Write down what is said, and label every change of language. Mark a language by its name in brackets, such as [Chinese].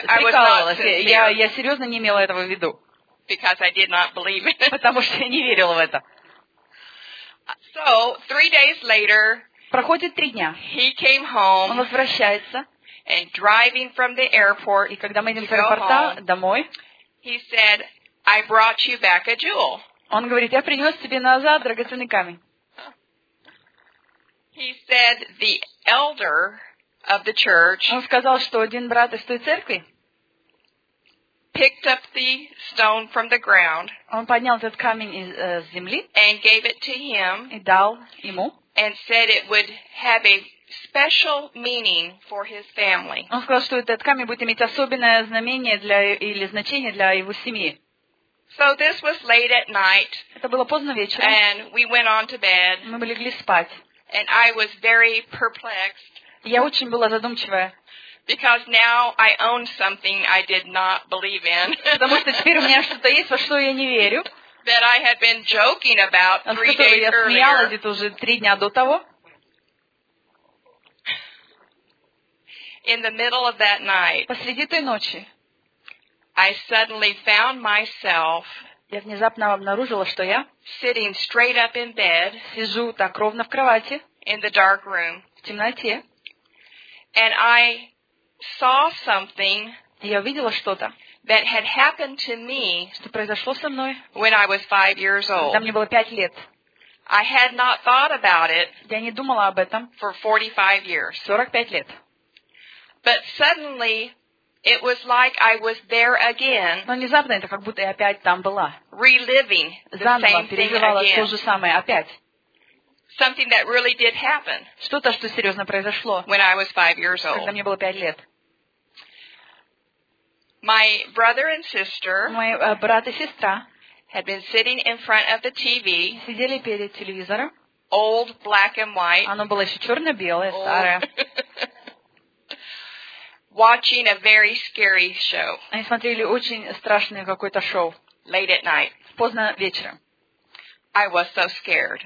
[Russian] Я серьезно не имела этого в виду. [English] Because I did not believe it. [Russian] Потому что я не верила в это. [English] So, 3 days later, [Russian] проходит 3 дня. [English] He came home. [Russian] Он возвращается. [English] And driving from the airport, [Russian] и когда мы едем с аэропорта домой, [English] he said, I brought you back a jewel. [Russian] Он говорит, я принес тебе назад драгоценный камень. [English] He said, the elder of the church, [Russian] он сказал, что один брат из той церкви [English] picked up the stone from the ground, [Russian] он поднял этот камень из земли [English] and gave it to him, [Russian] и дал ему, [English] and said it would have a special meaning for his family. [Russian] Он сказал, что этот камень будет иметь особенное знамение для или значение для его семьи. [English] So this was late at night. [Russian] Это было поздно вечером. [English] And we went on to bed. [Russian] Мы легли спать. [English] And I was very perplexed. [Russian] Я очень была задумчивая. [English] Because now I own something I did not believe in. [Russian] Потому что теперь у меня что-то есть, во что я не верю. [English] That I had been joking about 3 days earlier. [Russian] От которого я смеялась это уже 3 дня до того. [English] In the middle of that night, [Russian] посреди той ночи, [English] I suddenly found myself, [Russian] я внезапно обнаружила, что я [English] sitting straight up in bed, [Russian] сижу так ровно в кровати, [English] in the dark room, [Russian] в темноте, [English] and I saw something, [Russian] я увидела что-то, [English] that had happened to me, [Russian] что произошло со мной, [English] when I was 5 years old, [Russian] когда мне было 5 лет. [English] I had not thought about it, [Russian] я не думала об этом, [English] for 45 years, [Russian] 45 лет. [English] But suddenly, it was like I was there again. [Russian] Но внезапно это как будто я опять там была. [English] Reliving the [Russian] заново [English] same thing again. [Russian] Заново переживала то же самое опять. [English] Something that really did happen. [Russian] Что-то, что серьезно произошло. [English] When I was 5 years old. [Russian] Когда мне было 5 лет. [English] My brother and sister. [Russian] Мой брат и сестра. [English] Had been sitting in front of the TV. [Russian] Сидели перед телевизором. [English] Old black and white. [Russian] Оно было еще черно-белое, старое. [English] Watching a very scary show. [Russian] Они смотрели очень страшное какое-то шоу. [English] Late at night. [Russian] Поздно вечером. [English] I was so scared.